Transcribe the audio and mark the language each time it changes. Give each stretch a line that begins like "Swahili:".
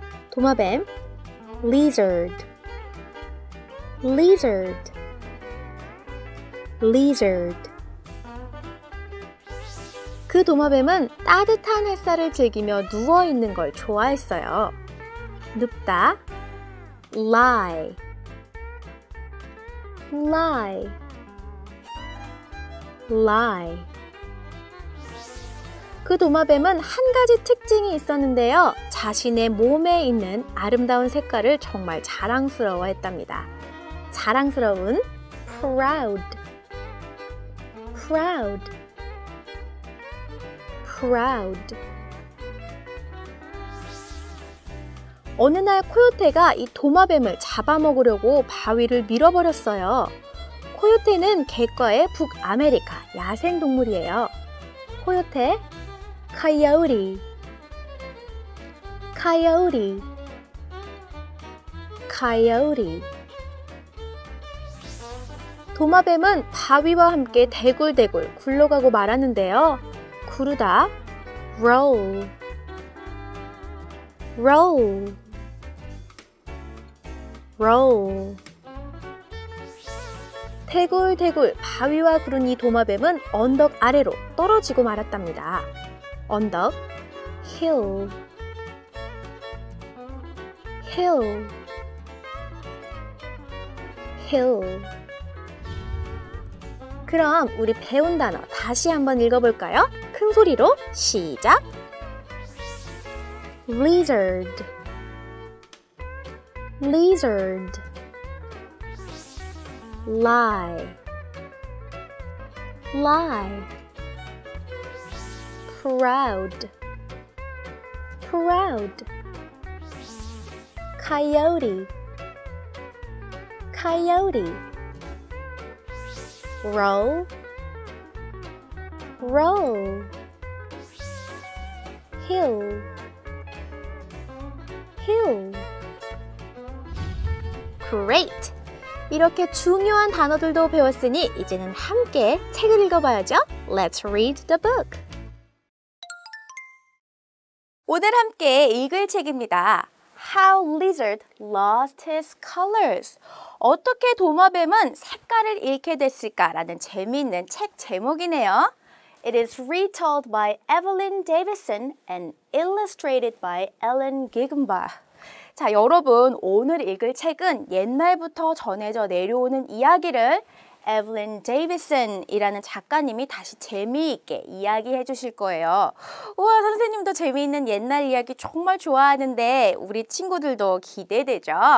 English: 도마뱀, lizard. Lizard, lizard.
Korean: 그 도마뱀은 따뜻한 햇살을 즐기며 누워 있는 걸 좋아했어요.
English: 눕다, lie, lie, lie.
Korean: 그 도마뱀은 한 가지 특징이 있었는데요. 자신의 몸에 있는 아름다운 색깔을 정말 자랑스러워했답니다.
English: 자랑스러운 proud, proud, proud.
Korean: 어느 날 코요테가 이 도마뱀을 잡아먹으려고 바위를 밀어버렸어요. 코요테는 개과의 북아메리카 야생동물이에요.
English: 코요테, coyote, coyote, coyote.
Korean: 도마뱀은 바위와 함께 대굴대굴 굴러가고 말았는데요.
English: 구르다, roll, roll, roll.
Korean: 대굴대굴 바위와 구른 이 도마뱀은 언덕 아래로 떨어지고 말았답니다.
English: 언덕, hill, hill, hill.
Korean: 그럼 우리 배운 단어 다시 한번 읽어볼까요? 큰 소리로 시작!
English: Lizard, lizard, lie, lie, proud, proud, coyote, coyote, roll, roll, hill, hill. Great!
Korean: 이렇게 중요한 단어들도 배웠으니 이제는 함께 책을 읽어봐야죠.
English: Let's read the book.
Korean: 오늘 함께 읽을 책입니다.
English: How Lizard Lost His Colors.
Korean: 어떻게 도마뱀은 색깔을 잃게 됐을까라는 재미있는 책 제목이네요.
English: It is retold by Evelyn Davison and illustrated by Ellen Gigenbach.
Korean: 자, 여러분, 오늘 읽을 책은 옛날부터 전해져 내려오는 이야기를 Evelyn Davison이라는 작가님이 다시 재미있게 이야기해 주실 거예요. 우와, 선생님도 재미있는 옛날 이야기 정말 좋아하는데 우리 친구들도 기대되죠?